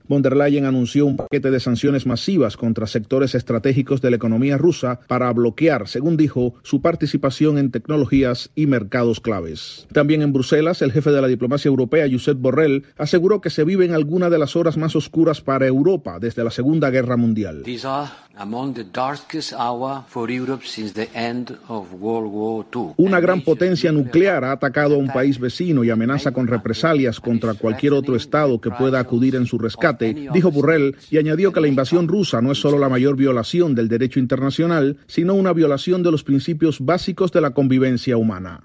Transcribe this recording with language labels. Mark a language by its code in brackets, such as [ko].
[es] Von der Leyen anunció un paquete de sanciones masivas contra sectores estratégicos de la economía rusa para bloquear, según dijo, su participación en tecnologías y mercados claves. También en Bruselas, el jefe de la diplomacia europea, Josep Borrell, aseguró que se vive en alguna de las horas más oscuras para Europa desde la Segunda Guerra Mundial. [en] These are among the darkest hours for Europe since the end of World War II. [es] Una gran potencia nuclear ha atacado a un país vecino y amenaza con represalias contra cualquier otro estado que pueda acudir en su rescate, dijo Borrell, y añadió que la invasión rusa no es solo la mayor violación del derecho internacional, sino una violación de los principios básicos de la convivencia humana.